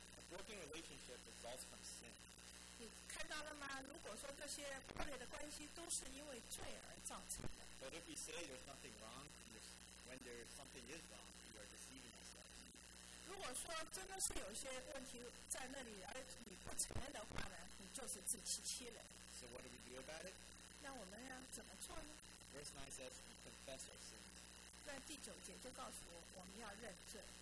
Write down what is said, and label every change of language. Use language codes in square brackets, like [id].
[en] broken relationship results from sin. [zh] 你看到了吗? 如果说这些破裂的关系都是因为罪而造成的。 [en] But if we say there's nothing wrong, when there something is wrong, we are deceiving ourselves. [zh] 如果说真的是有些问题在那里，而你不承认的话呢，你就是自欺欺人。 [en] So what do we do about it? [zh] 那我们要怎么做呢？ [en] Verse 9 says, we confess our sins. [zh] 那第九节就告诉我们要认罪。